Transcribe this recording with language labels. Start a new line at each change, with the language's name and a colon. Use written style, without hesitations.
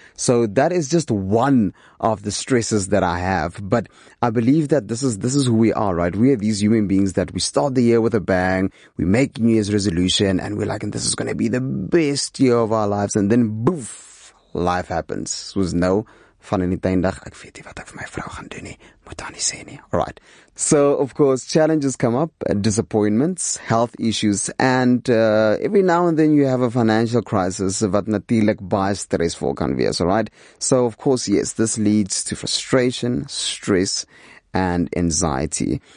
English: So that is just one of the stresses that I have, but I believe that this is who we are, right? We are these human beings that we start the year with a bang, we make New Year's resolution and we're like, and this is going to be the best year of our lives, and then boof, life happens.
Afrikaans: Was no Valentynsdag, ek weet nie wat ek vir my vrou gaan doen nie. Moet dan nie sê nie.
English: All right. So, of course, challenges come up, disappointments, health issues, and every now and then you have a financial crisis
Afrikaans: wat natuurlik baie stressvol kan wees,
English: all right? So, of course, yes, this leads to frustration, stress, and anxiety.